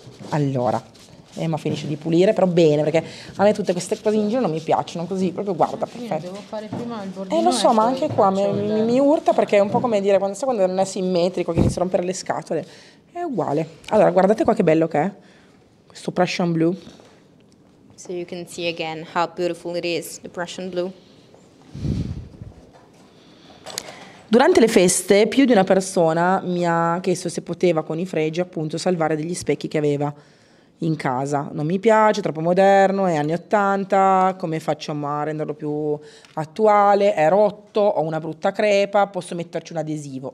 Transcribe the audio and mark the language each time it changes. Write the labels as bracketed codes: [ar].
[it] Allora, Emma finisce di pulire, però bene, perché a me tutte queste cose in giro non mi piacciono così, proprio guarda. Perché... Devo fare prima il bordino. Lo so, ma anche qua mi urta perché è un po' come dire, quando, sai quando non è simmetrico, che inizia a rompere le scatole, è uguale. Allora, guardate qua che bello che è, questo Prussian Blue. [en] So you can see again how beautiful it is, the Prussian Blue. [it] Durante le feste, più di una persona mi ha chiesto se poteva con i fregi, appunto, salvare degli specchi che aveva in casa. Non mi piace, è troppo moderno, è anni 80, come faccio a renderlo più attuale? È rotto, ho una brutta crepa, posso metterci un adesivo?